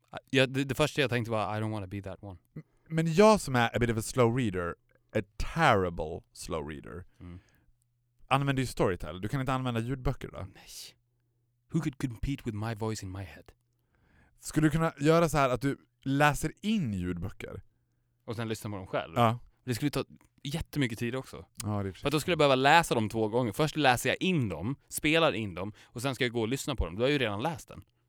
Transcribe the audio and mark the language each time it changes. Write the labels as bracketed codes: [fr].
[sv] Ja, det första jag tänkte var [en] I don't want to be that one. [sv] Men jag som är [en] a bit of a slow reader, a terrible slow reader, [sv] använder ju Storytel. Du kan inte använda ljudböcker då? Nej. [en] Who could compete with my voice in my head? [sv] Skulle du kunna göra så här att du läser in ljudböcker? Och sen lyssnar på dem själv? Ja. Det skulle ta jättemycket tid också. Ja, det är precis. För då skulle jag behöva läsa dem två gånger. Först läser jag in dem, spelar in dem och sen ska jag gå och lyssna på dem. Du har ju redan läst den.